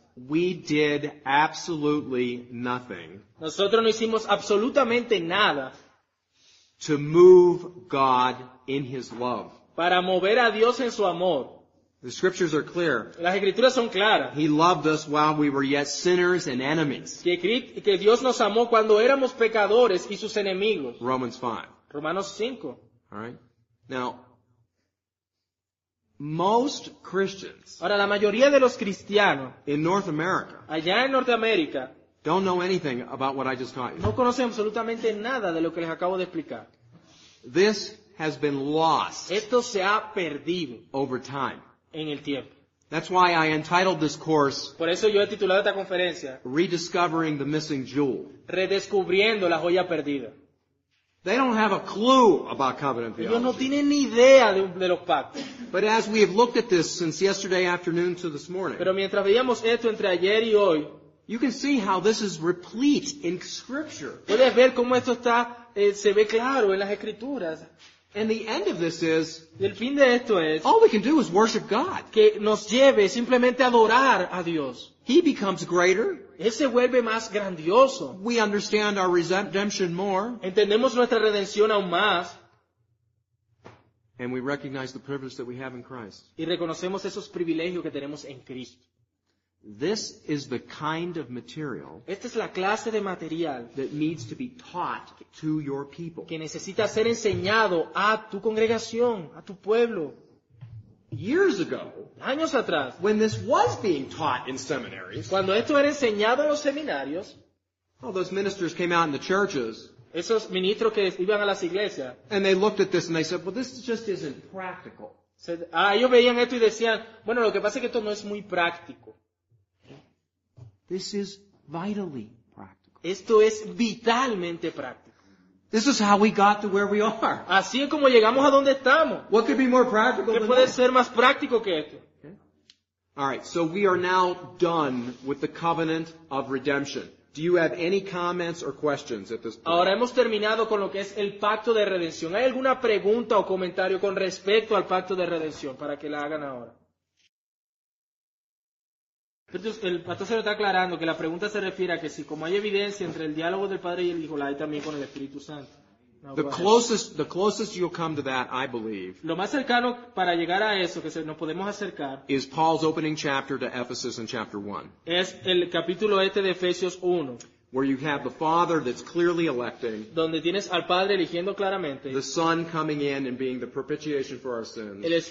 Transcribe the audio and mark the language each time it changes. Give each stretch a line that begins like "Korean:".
English: we did absolutely nothing.
Spanish: Nosotros no hicimos absolutamente nada.
English: To move God in his love.
Spanish: Para mover a Dios en su amor.
English: The scriptures are clear.
Spanish: Las escrituras son claras.
English: He loved us while we were yet sinners and enemies.
Spanish: Que Dios nos amó cuando éramos pecadores y sus enemigos.
English: Romans 5.
Spanish: Romanos 5.
English: All right. Now, most Christians,
Spanish: ahora, la mayoría de los cristianos,
English: in North America,
Spanish: allá en Norteamérica,
English: don't know anything about what I just taught you.
Spanish: No conocen absolutamente nada de lo que les acabo de explicar.
English: This has been lost.
Spanish: Esto se ha perdido
English: over time.
Spanish: En el tiempo.
English: That's why I entitled this course,
Spanish: por eso yo he titulado esta conferencia,
English: Rediscovering the Missing Jewel.
Spanish: Redescubriendo la joya perdida.
English: They don't have a clue about covenant theology.
Spanish: Ellos no tienen ni idea de los pactos.
English: But as we have looked at this since yesterday afternoon to this morning,
Spanish: pero mientras veíamos esto entre ayer y hoy,
English: you can see how this is replete in Scripture.
Spanish: Puedes ver cómo esto está, se ve claro en las Escrituras.
English: And the end of this is,
Spanish: el fin de esto es,
English: all we can do is worship God.
Spanish: Que nos lleve simplemente a adorar a Dios.
English: He becomes greater.
Spanish: Él se vuelve más grandioso.
English: We understand our redemption more.
Spanish: Entendemos nuestra redención aún más.
English: And we recognize the privilege that we have in Christ.
Spanish: Y reconocemos esos privilegios que tenemos en Cristo.
English: This is the kind of material,
Spanish: esta es la clase de material
English: that needs to be taught to your people.
Spanish: Que necesita ser enseñado a tu congregación, a tu pueblo.
English: Years ago,
Spanish: años atrás,
English: when this was being taught in seminaries,
Spanish: cuando esto era enseñado en los seminarios,
English: all those ministers came out in the churches,
Spanish: esos ministros que iban a las iglesias,
English: and they looked at this and they said, well, this just isn't practical.
Spanish: Ellos veían esto y decían, bueno, lo que pasa es que esto no es muy práctico.
English: This is vitally practical.
Spanish: Esto es vitalmente práctico.
English: This is how we got to where we are.
Spanish: Así es como llegamos a donde estamos.
English: What could be more practical than that?
Spanish: ¿Qué puede ser más práctico que esto?
English: Okay. All right, so we are now done with the covenant of redemption. Do you have any comments or questions at this point?
Spanish: Ahora hemos terminado con lo que es el pacto de redención. ¿Hay alguna pregunta o comentario con respecto al pacto de redención para que la hagan ahora? Pero el pastor se lo está aclarando, que la pregunta se refiere a que si como hay evidencia entre el diálogo del Padre y el Hijo, la hay también con el Espíritu Santo.
English: The closest you'll come to that, I believe,
Spanish: lo más cercano para llegar a eso, que nos podemos acercar,
English: is Paul's opening chapter to Ephesus in chapter 1.
Spanish: Es el capítulo este de Efesios 1.
English: Where you have the Father that's clearly electing,
Spanish: donde tienes al Padre eligiendo claramente,
English: the Son coming in and being the propitiation for our sins,